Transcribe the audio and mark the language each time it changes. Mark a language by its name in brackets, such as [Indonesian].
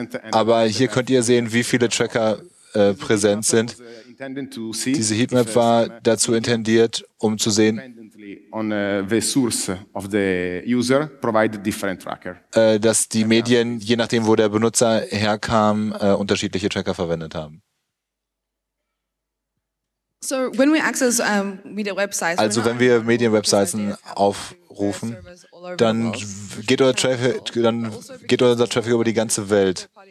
[German] Aber hier könnt ihr sehen, wie viele Tracker präsent sind. Diese Heatmap war dazu intendiert, um zu sehen, [English] on the source of the user provide different tracker. [German] Dass die Medien, je nachdem, wo der Benutzer herkam, unterschiedliche Tracker verwendet haben. [English] So when we access media websites, [German] also wenn wir Medienwebseiten aufrufen, dann geht unser Traffic, über die ganze Welt.